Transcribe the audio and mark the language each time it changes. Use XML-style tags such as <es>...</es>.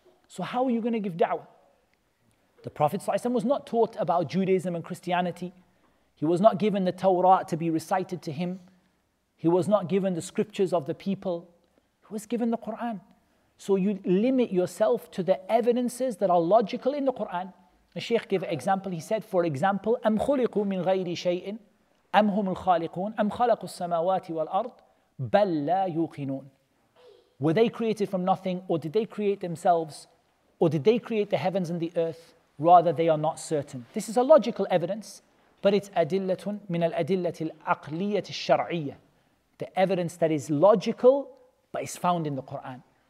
<en>So how are you going to give da'wah? The Prophet ﷺ was not taught about Judaism and Christianity. He was not given the Torah to be recited to him. He was not given the scriptures of the people. He was given the Quran. So you limit yourself to the evidences that are logical in the Quran. The Sheikh gave an example. He said, for example,</en> <ar>أَمْ خُلِقُوا مِنْ غَيْرِ شَيْءٍ أَمْ هُمُ الْخَالِقُونَ أَمْ خَلَقُوا السَّمَاوَاتِ وَالْأَرْضِ بَلْ لَا يُوقِنُونَ.</ar> <en>Were they created from nothing, or did they create themselves, or did they create the heavens and the earth? Rather, they are not certain. This is a logical evidence, but it's</en> <ar>adillatun min al-adillatil aqliyatil shar'iyya.</ar> <en>The evidence that is logical, but is found in the Quran.</en>